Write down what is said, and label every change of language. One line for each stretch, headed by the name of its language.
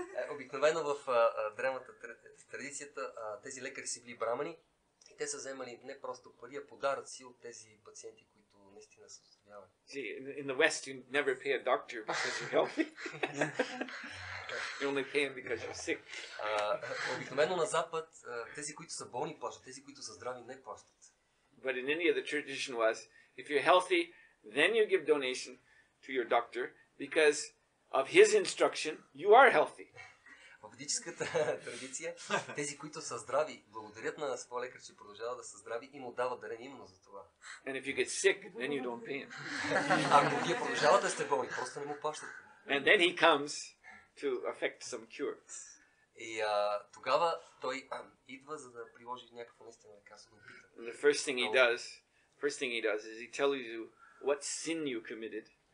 Bulgarian: Обикновено в древната традицията, тези лекари си били брамани, и те са вземали не просто пари, а подаръци от тези пациенти, които наистина са.
English: See, in the West, you never pay a doctor because you're healthy. You only pay him because you're sick.
Bulgarian: Обикновено на Запад, тези, които са болни, плащат. Тези, които са здрави, не плащат.
English: But in India, the tradition was, if you're healthy, then you give donation to your doctor because of his instruction, you are healthy.
Bulgarian: В ведическата традиция, тези, които са здрави, благодарят на своя лекар, че продължават да са здрави и му дават дарение именно за това.
English: And if you get sick, then you don't pay him.
Bulgarian: Ако вие продължавате сте болни, просто не му плащате.
English: And then he comes to effect some cure.
Bulgarian: И тогава той идва, за да приложи някакво наистина лекарство.
English: And the first thing he does is he tells you what sin you committed.